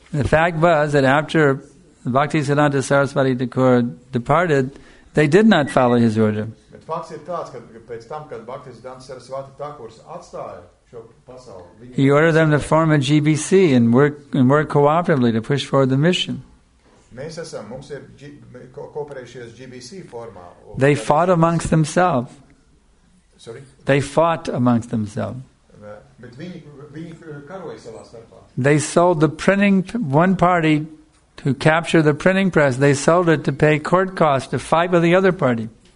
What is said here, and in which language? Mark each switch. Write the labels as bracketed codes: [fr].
[en] The fact was that after Bhaktisiddhanta Sarasvati Thakura departed, they did not follow his order. [lv] Bet fakts ir tāds, ka pēc tam, kad Bhaktisiddhanta Sarasvati Thakura atstāja, [en] he ordered them to form a GBC and work cooperatively to push forward the mission. They fought amongst themselves. Sorry? They fought amongst themselves. [lv] But viņi karoja savā starpā. [en] They sold the printing, one party to capture the printing press, they sold it to pay court costs to fight with the other party.